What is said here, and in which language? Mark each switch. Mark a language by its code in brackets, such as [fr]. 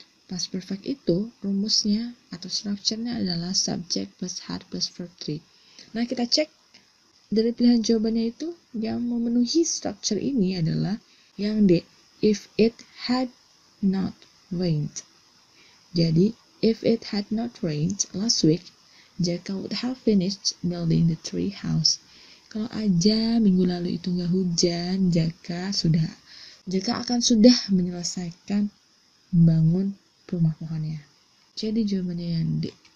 [id] Past perfect itu rumusnya atau structure-nya adalah subject plus had plus verb 3. Nah, kita cek dari pilihan jawabannya itu yang memenuhi structure ini adalah yang D, [en] if it had not rained. Jadi, if it had not rained last week, Jaka would have finished building the tree house. [id] Kalau aja minggu lalu itu nggak hujan, Jaka akan sudah menyelesaikan membangun rumah pohonnya. Jadi jawabannya yang D.